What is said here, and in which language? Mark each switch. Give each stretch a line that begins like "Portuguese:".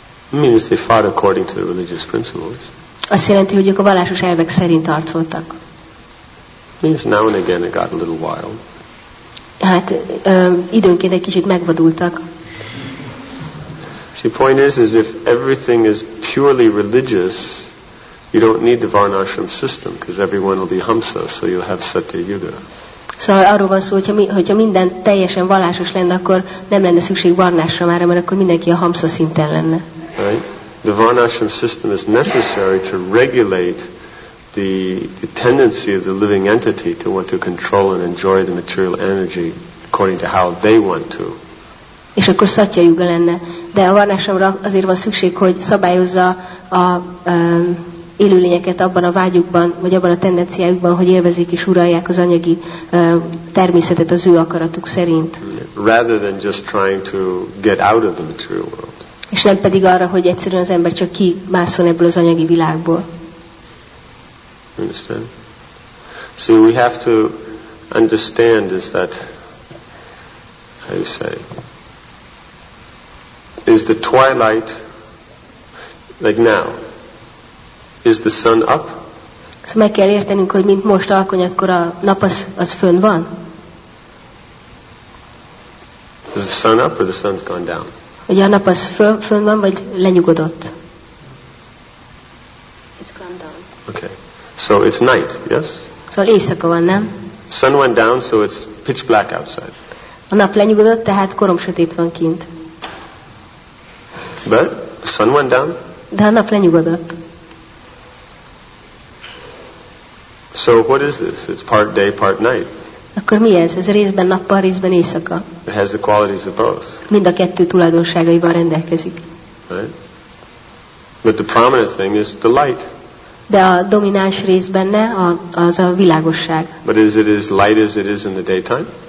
English: It means they fought according to the religious principles.
Hungarian: Azt jelenti, hogy ők a vallásos elvek szerint harcoltak.
English: It means now and again it got a little wild.
Hungarian: Hát időnként egy kicsit megvadultak.
English: See, point is if everything is purely religious, you don't need the varnashram system, because everyone will be hamsa, so you'll have satya yuga.
Hungarian: Szóval arról van szó, hogyha minden teljesen vallásos lenne, akkor nem lenne szükség varnashramára, mert akkor mindenki a hamsa szinten lenne.
English: Right? The varnashram system is necessary to regulate the tendency of the living entity to want to control and enjoy the material energy according to how they want to.
Hungarian: És akkor szatya yuga lenne. De a varnashramra azért van szükség, hogy szabályozza a élőlényeket abban a vágyukban, vagy abban a tendenciájukban, hogy élvezik és uralják az anyagi természetet az ő akaratuk szerint.
English: Rather than just trying to get out of the material world.
Hungarian: És nem pedig arra, hogy egyszerűen az ember csak kimászol ebből az anyagi világból.
English: Understand? See, we have to understand is that, how you say, is the twilight, like now, is the sun up?
Hungarian: Szóval meg kell értenünk, hogy mint most alkonyatkor a nap az fönn van.
English: Is the sun up or the sun's gone down?
Hungarian: Hogy a nap az fönn van, vagy lenyugodott?
English: It's gone down. Okay. So it's night, yes?
Hungarian: Szóval éjszaka van, nem?
English: Sun went down, so it's pitch black outside.
Hungarian: A nap lenyugodott, tehát korom sötét van kint.
English: But the sun went down?
Hungarian: De a nap lenyugodott.
English: So what is this? It's part day, part night.
Hungarian: Akkor mi ez? Ez részben nappal, részben éjszaka.
English: It has the qualities of both.
Hungarian: Mind a kettő tulajdonságaival rendelkezik.
English: Right? But the prominent thing is the light.
Hungarian: De a domináns rész benne az a világosság.
English: But is it as light as it is in the daytime?